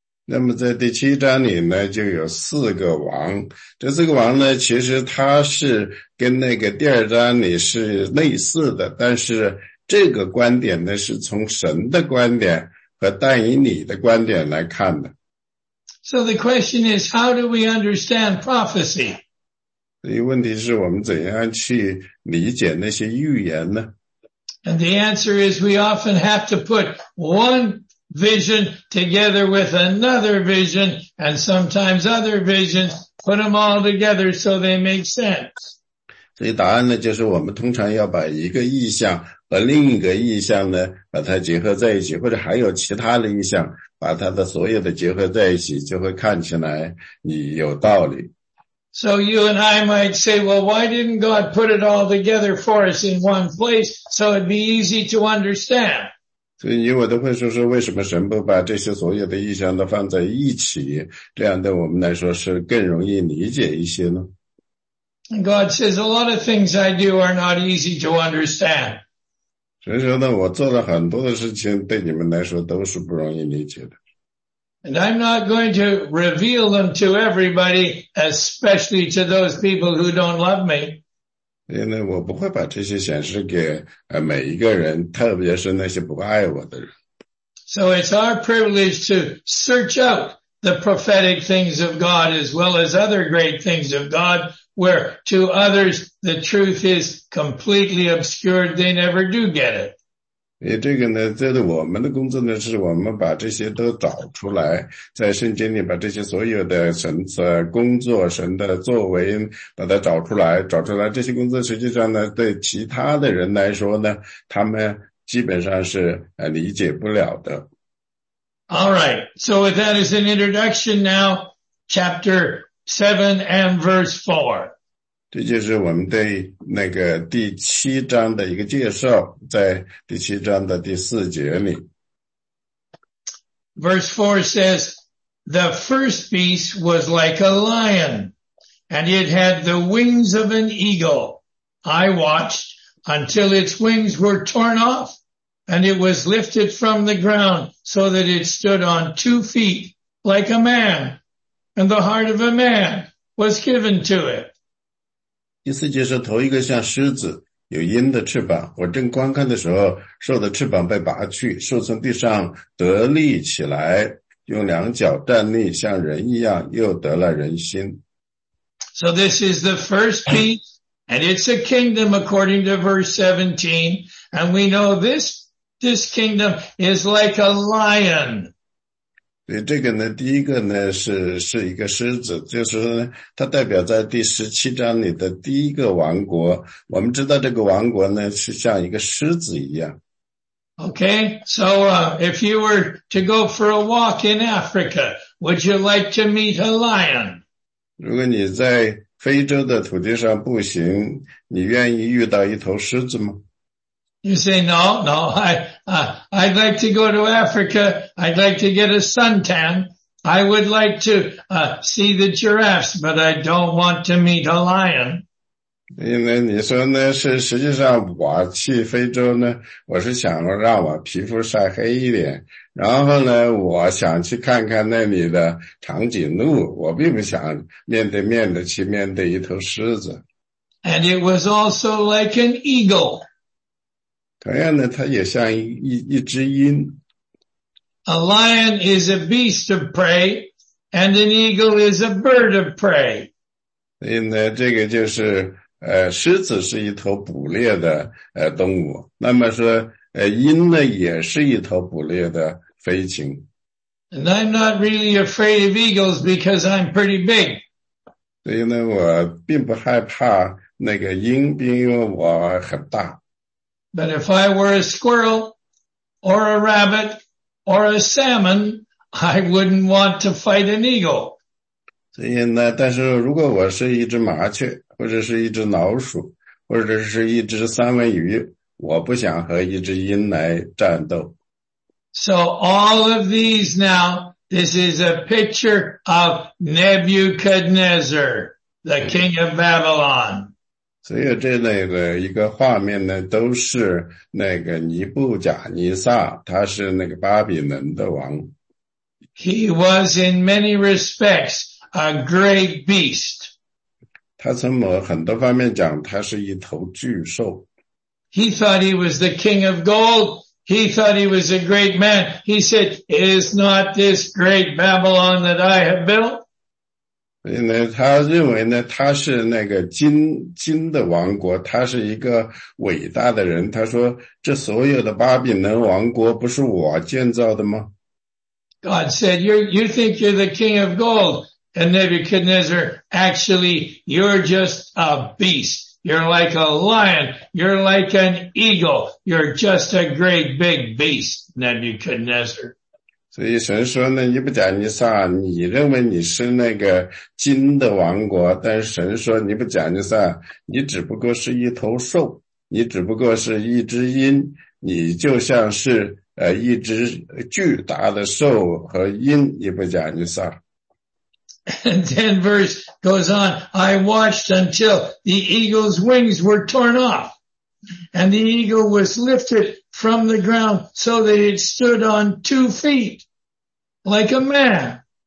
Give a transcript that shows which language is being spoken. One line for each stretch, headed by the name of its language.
Chinese: 那么在第七章里呢就有四个王，这四个王呢其实他是跟那个第二章里是类似的，但是这个观点呢是从神的观点和但以理的观点来看的。
English: So the question is, how do we understand prophecy?
Chinese: 所以问题是我们怎样去理解那些预言呢？
English: And the answer is we often have to put one vision together with another vision and sometimes other visions, put them all together so they make sense.
Chinese: 所以答案呢就是我们通常要把一个意象和另一个意象呢把它结合在一起，或者还有其他的意象把它的所有的结合在一起，就会看起来你有道理。
English: So you and I might say, well, why didn't God put it all together for us in one place so it'd be easy to understand?
Chinese: 所以你我都会说说为什么神不把这些所有的意象都放在一起，这样对我们来说是更容易理解一些呢？
English: God says, a lot of things I do are not easy to understand.
Chinese: 所以说呢，我做了很多的事情对你们来说都是不容易理解的。
English: And I'm not going to reveal them to everybody, especially to those people who don't love me.
Chinese: 因为我不会把这些显示给每一个人，特别是那些不爱我的人。
English: So it's our privilege to search out the prophetic things of God as well as other great things of God, where to others the truth is completely obscured, they never do get it.
Chinese: 因为这个呢，这个我们的工作呢，是我们把这些都找出来，在圣经里把这些所有的神的工作、神的作为，把它找出来，找出来。这些工作实际上呢，对其他的人来说呢，他们基本上是理解不了的。
English: All right, so with that as an introduction, now chapter 7 and verse 4.
Chinese: 这就是我们对那个第七章的一个介绍，在第七章的第四节里。
English: Verse 4 says, The first beast was like a lion, and it had the wings of an eagle. I watched until its wings were torn off, and it was lifted from the ground so that it stood on two feet like a man, and the heart of a man was given to it.
Chinese: 第四节是头一个像狮子有鹰的翅膀，我正观看的时候，兽的翅膀被拔去，兽从地上得立起来，用两脚站立，像人一样，又得了人心。
English: So this is the first beast, and it's a kingdom according to verse 17, and we know this kingdom is like a lion.
Chinese: 所以这个呢，第一个呢是一个狮子，就是它代表在第十七章里的第一个王国。我们知道这个王国呢是像一个狮子一样。
English: Okay, so if you were to go for a walk in Africa, would you like to meet a lion?
Chinese: 如果你在非洲的土地上步行，你愿意遇到一头狮子吗？
English: You say, no, I'd like to go to Africa. I'd like to get a suntan. I would like to see the giraffes, but I don't want to meet a lion.
Chinese: 因为你说呢，是实际上我去非洲呢，我是想让我皮肤晒黑一点，然后呢，我想去看看那里的长颈鹿，我并不想面对面的去面对一头狮子。
English: And it was also like an eagle.
Chinese: 同样呢，它也像一只鹰。
English: A lion is a beast of prey, and an eagle is a bird of prey.
Chinese: 所以呢，这个就是狮子是一头捕猎的动物。那么说鹰呢，也是一头捕猎的飞禽。
English: And I'm not really afraid of eagles because I'm pretty big.
Chinese: 所以呢，我并不害怕那个鹰，因为我很大。
English: But if I were a squirrel, or a rabbit, or a salmon, I wouldn't want to fight an eagle.
Chinese: 所以呢，但是如果我是一只麻雀，或者是一只老鼠，或者是一只三文鱼，我不想和一只鹰来战斗。
English: So all of these now, this is a picture of Nebuchadnezzar, the king of Babylon.
Chinese: 所以这那个一个画面呢，都是那个尼布甲尼撒，他是那个巴比伦的王。
English: He was in many respects a great beast.
Chinese: 他从某很多方面讲，他是一头巨兽。
English: He thought he was the king of gold. He thought he was a great man. He said, "Is not this great Babylon that I have built?"
Chinese: 所以呢，他认为呢，他是那个金的王国，他是一个伟大的人。他说，这所有的巴比伦王国不是我建造的吗？
English: God said, you think you're the king of gold, and Nebuchadnezzar, actually, you're just a beast. You're like a lion. You're like an eagle. You're just a great big beast, Nebuchadnezzar.
Chinese: 所以神说呢，尼布甲尼撒，你认为你是那个金的王国，但是神说，尼布甲尼撒，你只不过是一头兽，你只不过是一只鹰，你就像是一只巨大的兽和鹰，尼布甲尼撒。
English: And then verse goes on, I watched until the eagle's wings were torn off, and the eagle was lifted from the ground so that it stood on two feet, like a man.